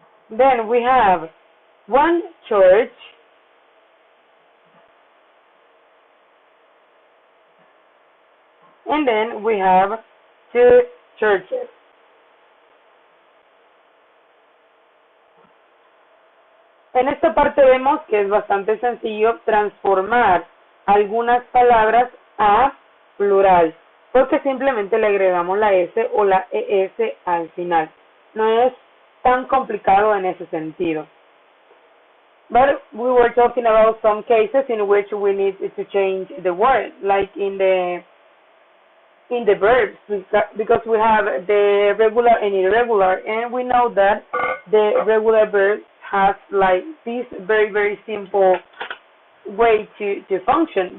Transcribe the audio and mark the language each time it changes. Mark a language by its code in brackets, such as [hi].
[en] Then we have one church, and then we have two churches. [es] En esta parte vemos que es bastante sencillo transformar algunas palabras a plural, porque simplemente le agregamos la S o la ES al final. No es tan complicado en ese sentido. [en] But we were talking about some cases in which we need to change the word, like in the verbs, because we have the regular and irregular, and we know that the regular verbs has like this very, very simple way to function.